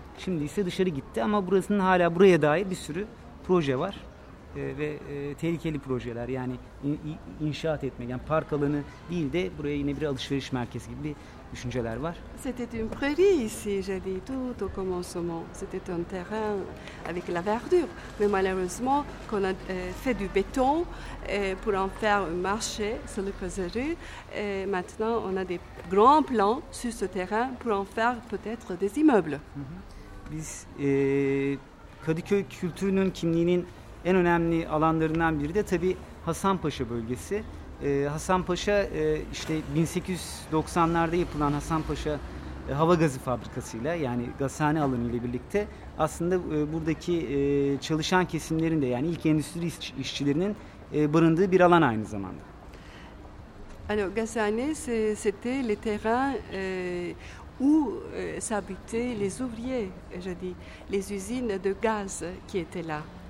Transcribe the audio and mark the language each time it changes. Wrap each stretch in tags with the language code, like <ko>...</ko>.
<tr>Şimdi ise dışarı gitti ama burasının hala buraya dair bir sürü proje var ve tehlikeli projeler, yani inşaat etmek, yani park alanı değil de buraya yine bir alışveriş merkezi gibi düşünceler var.</tr> <fr>C'était une prairie ici, j'ai dit tout au commencement. C'était un terrain avec la verdure. Mais malheureusement, qu'on a fait du béton pour en faire un marché sur le pazarı. Et maintenant, on a des grands plans sur ce terrain pour en faire peut-être des immeubles.</fr> <tr>Biz Kadıköy kültürünün kimliğinin en önemli alanlarından biri de tabii Hasanpaşa bölgesi. Hasanpaşa işte 1890'larda yapılan Hasanpaşa hava gazı fabrikasıyla, yani gazhane alanı ile birlikte aslında buradaki çalışan kesimlerin de, yani ilk endüstri işçilerinin barındığı bir alan aynı zamanda.</tr> <fr>Alors gazhane c'était le terrain où s'habitaient les ouvriers, je dis les usines de gaz qui étaient là.</fr>